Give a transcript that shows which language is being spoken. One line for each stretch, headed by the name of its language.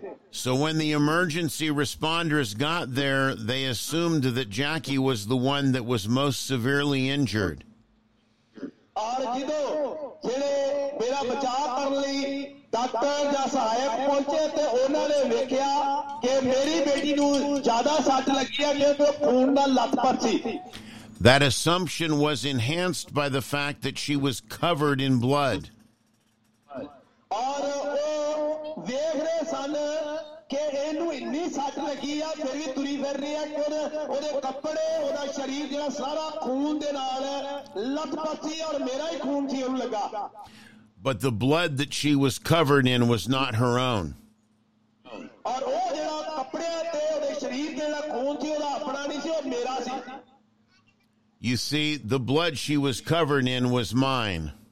English: So when the emergency responders got there, they assumed that Jackie was the one that was most severely injured.
Punjabi: ਨਾਲ ਜਦੋਂ ਜਿਹੜੇ ਮੇਰਾ ਬਚਾਅ ਕਰਨ ਲਈ ਡਾਕਟਰ ਜਾਂ ਸਹਾਇਕ ਪਹੁੰਚੇ ਤੇ ਉਹਨਾਂ ਨੇ ਵੇਖਿਆ ਕਿ ਮੇਰੀ ਬੇਟੀ ਨੂੰ ਜ਼ਿਆਦਾ ਸੱਟ ਲੱਗੀ ਹੈ ਕਿਉਂਕਿ ਉਹ ਖੂਨ ਦਾ ਲੱਥ ਪਰ ਸੀ।
English: That assumption was enhanced by the fact that she was covered in blood.
Punjabi: ਔਰ ਉਹ ਵੇਖ ਰਹੇ ਸਨ ਕਿ ਇਹਨੂੰ ਇੰਨੀ ਸੱਟ ਲੱਗੀ ਆ ਫਿਰ ਵੀ ਤੁਰੀ ਫਿਰ ਰਹੀ ਹੈ ਕਿ ਉਹਦੇ ਕੱਪੜੇ ਉਹਦਾ ਸਰੀਰ ਜਿਹੜਾ ਸਾਰਾ ਖੂਨ ਦੇ ਨਾਲ ਲੱਥ ਪਰ ਸੀ ਔਰ ਮੇਰਾ ਹੀ ਖੂਨ ਸੀ ਉਹਨੂੰ ਲੱਗਾ।
English: But the blood that she was covered in was not her own.
Punjabi: ਔਰ ਉਹ ਜਿਹੜਾ ਕੱਪੜੇ ਤੇ ਉਹਦੇ ਸਰੀਰ ਦੇ ਨਾਲ ਖੂਨ ਸੀ ਉਹਦਾ ਆਪਣਾ ਨਹੀਂ ਸੀ ਉਹ ਮੇਰਾ ਸੀ।
English: You see, the blood she was covered in was mine.